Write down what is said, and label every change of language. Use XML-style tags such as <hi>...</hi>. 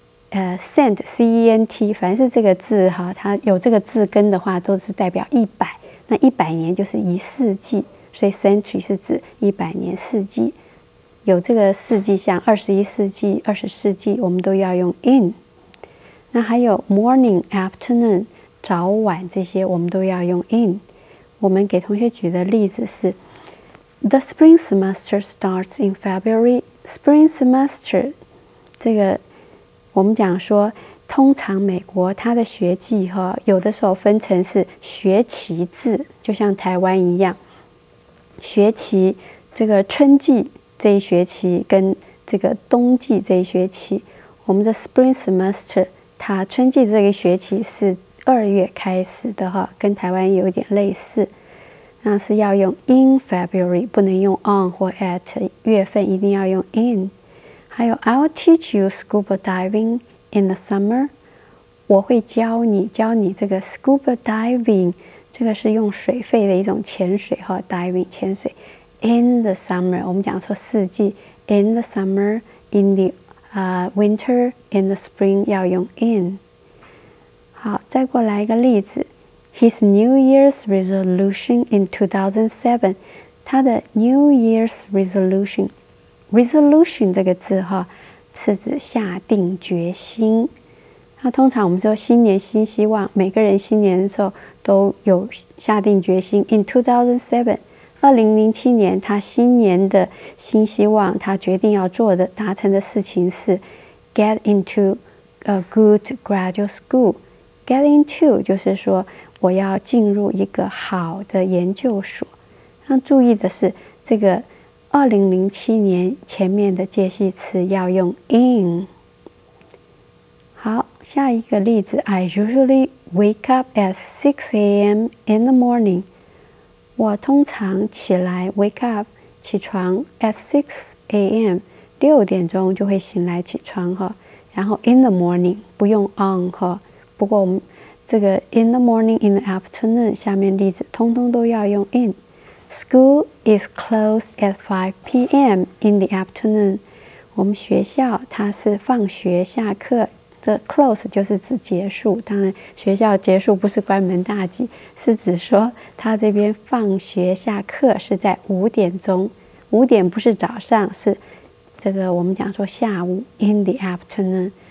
<zh>cent cent， 凡是这个字它有这个字根的话，都是代表一百，那一百年就是一世纪，所以 century 是指一百年四季，有这个四季，像21世纪、20世纪，我们都要用 in。那还有 morning、afternoon、早晚这些，我们都要用 in。我们给同学举的例子是 ：</zh> <en>The spring semester starts in February.</en> <zh>Spring semester， 这个我们讲说，通常美国它的学季有的时候分成是学期制，就像台湾一样，学期这个春季这一学期跟这个冬季这一学期，我们的 spring semester。它春季这个学期是2月开始的，跟台湾有点类似，那是要用 in February， 不能用 on 或 at， 月份一定要用 in。还有</zh> <en>I'll teach you scuba diving in the summer，</en> <zh>我会教你这个</zh> <en>scuba diving，</en> <zh>这个是用水肺的一种潜水哈 ，diving 潜水。</zh> <en>In the summer，</en> <zh>我们讲说四季</zh> <en>，in the summer，in the winter，in the spring 要用 in。</en> <zh>好，再过来一个例子 ，</zh> <en>His New Year's resolution in 2007，</en> <zh>他的 New Year's resolution 这个字哈，是指下定决心。那通常我们说新年新希望，每个人新年的时候都有下定决心。</zh> <en>In 2007，</en> <zh>2007年他新年的新希望，他决定要做的达成的事情是</zh> <en>get into a good graduate school。</en> <zh>Get into 就是说我要进入一个好的研究所。那注意的是，这个2007年前面的介系词要用 in。好，下一个例子 ，</zh> <en>I usually wake up at 6 a.m. in the morning。</en> <zh>我通常起来 ，wake up 起床 at 6 a.m. 六点钟就会醒来起床哈。然后 in the morning 不用 on 哈。不过我们这个 in the morning in the afternoon 下面例子通通都要用 in。</zh> <en>School is closed at 5 p.m. in the afternoon。</en> <zh>我们学校它是放学下课。这 close 就是指结束，当然学校结束不是关门大吉，是指说他这边放学下课是在五点钟，五点不是早上，是这个我们讲说下午</zh> <en>in the afternoon。</en>